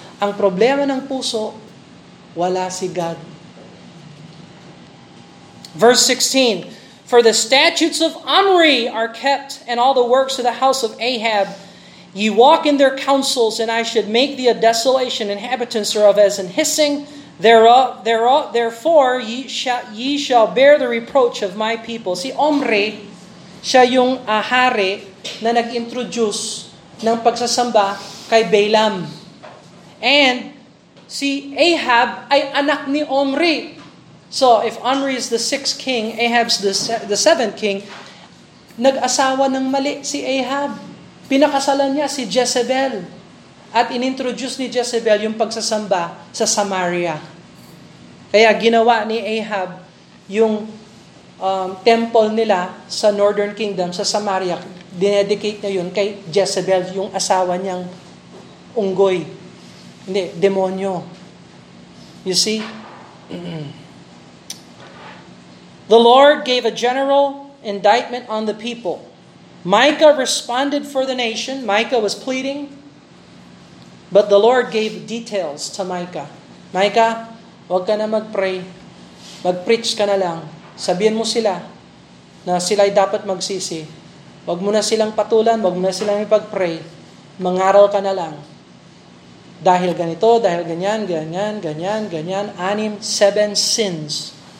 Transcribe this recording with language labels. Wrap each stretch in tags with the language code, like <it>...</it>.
<tl>Ang problema ng puso, wala si God.</tl> <en>Verse 16, for the statutes of Omri are kept, and all the works of the house of Ahab. Ye walk in their counsels, and I should make thee a desolation, inhabitants thereof as an hissing. Therefore ye shall bear the reproach of my people.</en> <tl>Si Omri, siya yung ahari na nag-introduce ng pagsasamba kay Balaam. And si Ahab ay anak ni Omri.</tl> <en>So if Omri is the sixth king, Ahab's the seventh king, nag-asawa ng mali si Ahab.</en> <tl>Pinakasalan niya si Jezebel. At inintroduce ni Jezebel yung pagsasamba sa Samaria. Kaya ginawa ni Ahab yung temple nila sa Northern Kingdom, sa Samaria. Dinedicate niya yun kay Jezebel, yung asawa niyang unggoy. Hindi, demonyo. You see?</tl> <en>The Lord gave a general indictment on the people. Micah responded for the nation. Micah was pleading. But the Lord gave details to Micah.</en> <tl>Micah, huwag ka na mag-pray. Mag-preach ka na lang. Sabihin mo sila na sila'y dapat magsisi. Huwag mo na silang patulan. Huwag mo na silang ipag-pray. Mangaral ka na lang. Dahil ganito, dahil ganyan, ganyan, ganyan, ganyan. 6 sins.</tl>